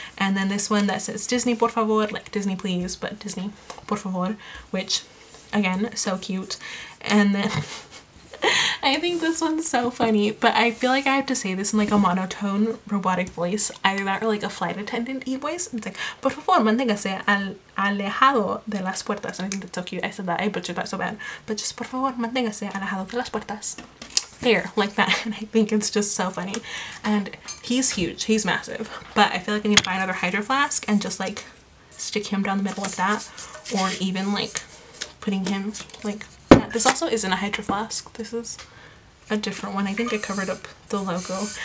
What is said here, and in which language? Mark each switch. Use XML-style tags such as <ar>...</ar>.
<en>And then this one that says Disney</en> <es>por favor,</es> <en>like Disney please, but Disney por favor, which again, so cute. And then I think this one's so funny, but I feel like I have to say this in like a monotone robotic voice, either that or like a flight attendant e voice. It's like,</en> <es>por favor, manténgase alejado de las puertas.</es> <en>And I think that's so cute. I said that, I butchered that so bad. But just</en> <es>por favor, manténgase alejado de las puertas.</es> <en>There, like that. And I think it's just so funny. And he's huge, he's massive. But I feel like I need to buy another hydro flask and just like stick him down the middle of that, or even like putting him like. This also isn't a Hydro Flask. This is a different one. I think it covered up the logo.</en>